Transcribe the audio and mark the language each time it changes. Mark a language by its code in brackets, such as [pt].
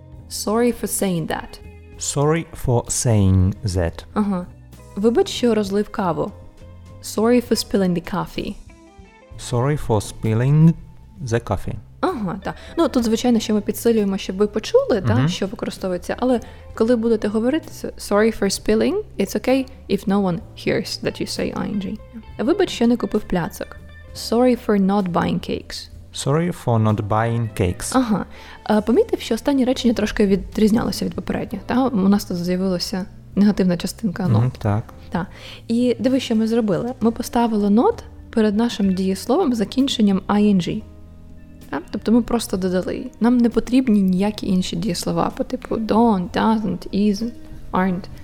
[en] Sorry for saying that. Sorry for saying that. [uk] Ага. Вибач, що розлив каву. [en] Sorry for spilling the coffee. Sorry for spilling the coffee. [uk] Ага, так. Ну, тут, звичайно, що ми підсилюємо, щоб ви почули, так, що використовується. Але коли будете говорити [en] sorry for spilling, it's okay if no one hears that you say ing. [uk] Вибач, що не купив пляцок. [en] Sorry for not buying cakes. Sorry for not buying cakes. [uk] Ага. Помітив, що останнє речення трошки відрізнялося від попередніх. Та? У нас тут з'явилася негативна частинка not. Так. Та. І диви, що ми зробили. Ми поставили not перед нашим дієсловом закінченням ing. Та? Тобто ми просто додали. Нам не потрібні ніякі інші дієслова по типу don't, doesn't, isn't, aren't.